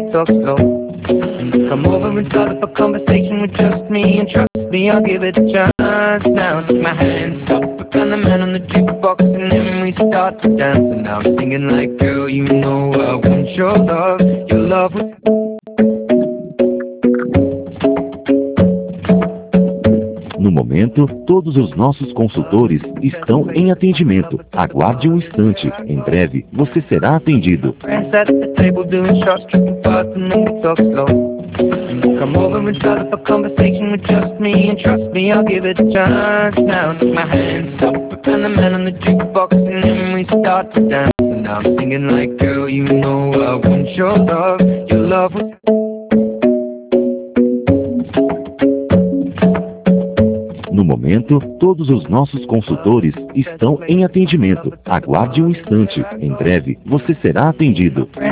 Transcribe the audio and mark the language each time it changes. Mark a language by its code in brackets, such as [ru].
[en] Come over and start up a conversation with just me, and trust me, I'll give it a chance. Now take my hands up, and the man on the jukebox, and then we start to dance. And I'm singing like, girl, you know I want your love was... [pt] No momento, todos os nossos consultores estão em atendimento. Aguarde um instante, em breve você será atendido. [en] Come over and start up a conversation with just me, and trust me, I'll give it a chance. Now take my hands up, and the man on the jukebox, and then we start to dance. And I'm singing like, girl, you know I want your love was... [pt] No momento, todos os nossos consultores estão em atendimento. Aguarde um instante, em breve você será atendido.